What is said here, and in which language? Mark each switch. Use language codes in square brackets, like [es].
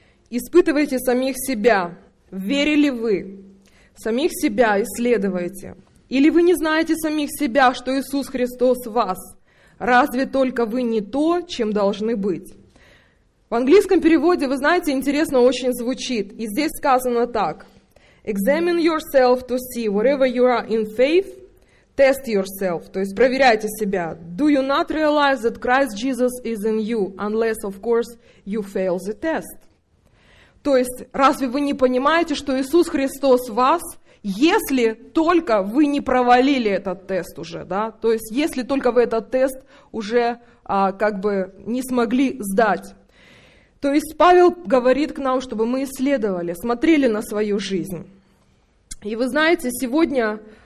[ru] «Испытывайте самих себя, верили вы, самих себя исследуйте. Или вы не знаете самих себя, что Иисус Христос в вас? Разве только вы не то, чем должны быть?» В английском переводе, вы знаете, интересно очень звучит. И здесь сказано так. [en] Examine yourself to see wherever you are in faith. Test yourself. [ru] То есть проверяйте себя. [en] Do you not realize that Christ Jesus is in you, unless, of course, you fail the test? [ru] То есть разве вы не понимаете, что Иисус Христос в вас, если только вы не провалили этот тест уже, да? То есть если только вы этот тест уже как бы не смогли сдать. То есть Павел говорит к нам, чтобы мы исследовали, смотрели на свою жизнь. И вы знаете, сегодня